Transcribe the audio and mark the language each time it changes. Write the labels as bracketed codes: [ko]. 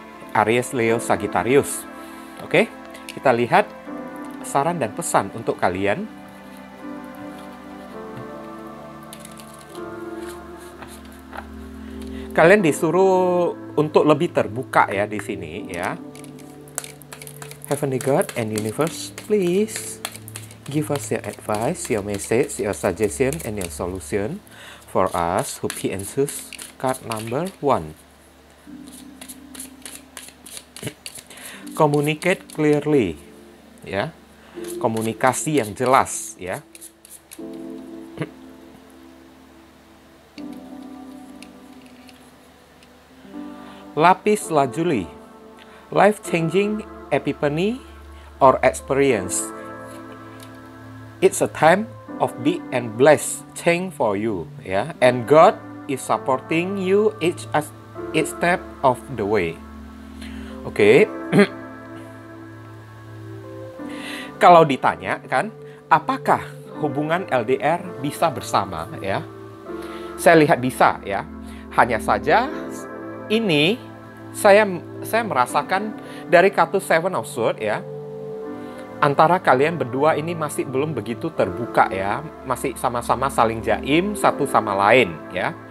[id] Aries, Leo, Sagittarius. Oke, kita lihat saran dan pesan untuk kalian. Kalian disuruh untuk lebih terbuka ya di sini ya. [en] Heavenly God and Universe, please give us your advice, your message, your suggestion and your solution for us who pick and choose card number 1. Communicate clearly. Ya. [id] Komunikasi yang jelas ya. [en] Lapis lazuli, life changing epiphany or experience. It's a time of be and bless change for you, yeah. And God is supporting you each step of the way. Okay. [id] Kalau ditanya kan, apakah hubungan LDR bisa bersama, ya? Yeah. Saya lihat bisa, ya. Yeah. Hanya saja ini. Saya merasakan dari kartu Seven of Swords ya, antara kalian berdua ini masih belum begitu terbuka ya, masih sama-sama saling jaim satu sama lain ya.